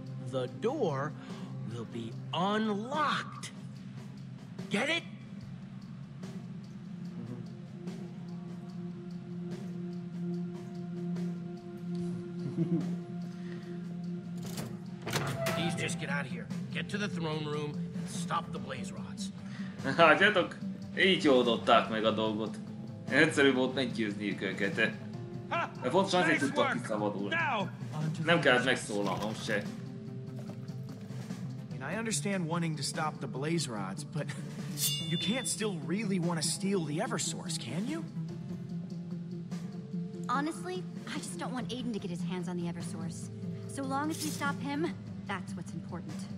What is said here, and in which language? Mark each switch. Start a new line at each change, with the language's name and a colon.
English: The door will be unlocked. Get it? Please just get out of here. Get to the throne room and stop the blaze rods.
Hungarian: Látjátok? Így oldották meg a dolgot. Egyszerű volt meggyőzniük őket. De pont sem azért tudtak kiszabadulni. Nem kellett megszólalnom se.
English: I understand wanting to stop the Blaze Rods, but you can't still really want to steal the Eversource, can you? Honestly, I just don't want Aiden to get his hands on the Eversource. So long as we stop him, that's what's important.